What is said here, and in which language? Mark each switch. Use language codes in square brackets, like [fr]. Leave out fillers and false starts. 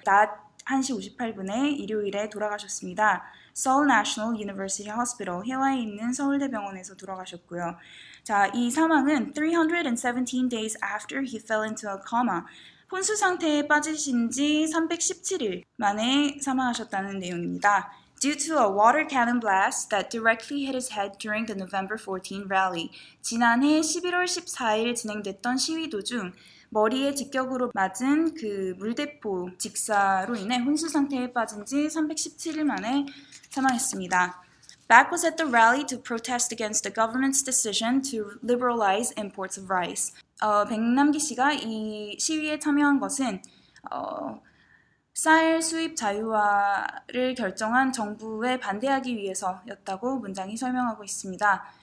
[ko] 낮 1시 58분에 일요일에 돌아가셨습니다. Seoul National University Hospital, 해외에 있는 서울대병원에서 돌아가셨고요. 자, 이 사망은 [en] 317 days after he fell into a coma. [ko] 혼수 상태에 빠지신 지 317일 만에 사망하셨다는 내용입니다. [en] Due to a water cannon blast that directly hit his head during the November 14 rally, [ko] 지난해 11월 14일 진행됐던 시위 도중 머리에 직격으로 맞은 그 물대포 직사로 인해 혼수 상태에 빠진 지 317일 만에 사망했습니다. [en] Back was at the rally to protest against the government's decision to liberalize imports of rice. [ko] 백남기 씨가 이 시위에 참여한 것은 쌀 수입 자유화를 결정한 정부에 반대하기 위해서였다고 문장이 설명하고 있습니다.